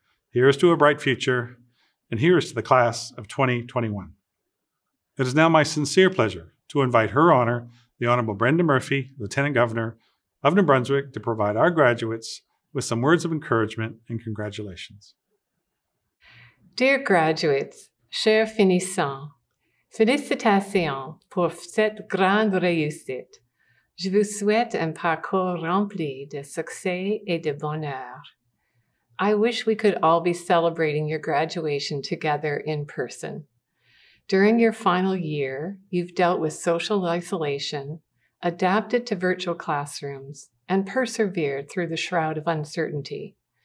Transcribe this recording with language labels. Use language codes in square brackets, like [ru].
[en] Here is to a bright future. And here is to the class of 2021. It is now my sincere pleasure to invite Her Honor, the Honorable Brenda Murphy, Lieutenant Governor of New Brunswick, to provide our graduates with some words of encouragement and congratulations. Dear graduates, [fr] chers finissants, félicitations pour cette grande réussite. Je vous souhaite un parcours rempli de succès et de bonheur. [en] I wish we could all be celebrating your graduation together in person. During your final year, you've dealt with social isolation, adapted to virtual classrooms, and persevered through the shroud of uncertainty.